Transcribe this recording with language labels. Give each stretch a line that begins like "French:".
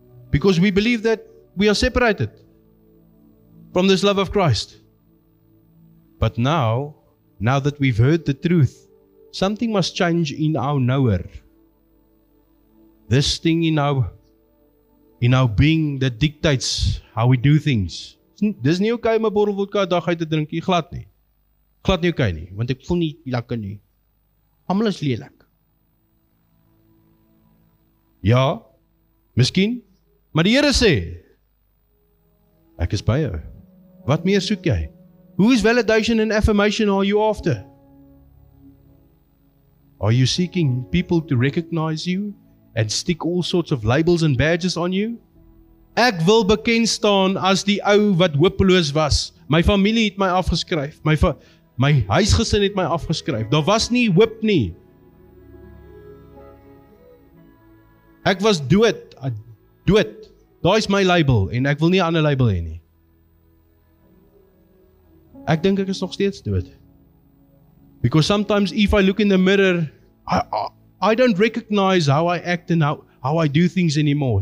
English: Because we believe that we are separated from this love of Christ. But now, now that we've heard the truth, something must change in our knower. This thing in our being that dictates how we do things.
Afrikaans: Dis nie okay om 'n bottel vodka 'n dag uit te drink nie, glad nie. Glad nie okay nie, want ek voel nie lekker nie. Almal is lelik. Ja, miskien, maar die Here sê, ek is by jou. Wat meer soek jy?
English: Whose validation and affirmation are you after? Are you seeking people to recognize you and stick all sorts of labels and badges on you?
Afrikaans: Ek wil bekend staan as die ou wat hopeloos was. My familie het my afgeskryf. My huisgesin het my afgeskryf. Daar was nie hoop nie. Ek was dood. Dood. Daar is my label en ek wil nie 'n ander label hê nie. Ek dink ek is nog steeds dood.
English: Because sometimes if I look in the mirror, I don't recognize how I act and how I do things anymore.